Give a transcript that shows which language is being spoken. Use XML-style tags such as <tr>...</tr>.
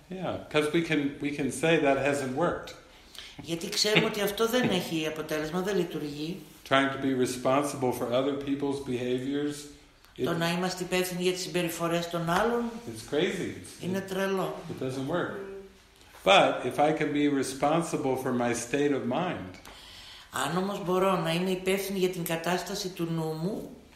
<en>Yeah, because we can say that hasn't worked.</en> <el>Γιατί ξέρουμε ότι αυτό δεν έχει αποτέλεσμα, δεν λειτουργεί.</el> <en>Trying to be responsible for other people's behaviors.</en> <el>Το να είμαστε υπεύθυνοι για τις συμπεριφορές των άλλων.</el> <en>It's crazy.</en> <el>Είναι τρελό.</el> <en>It doesn't work. But if I can be responsible for my state of mind.</en> <el>Αν όμως μπορώ να είμαι υπεύθυνη για την κατάσταση του νου μου.</el>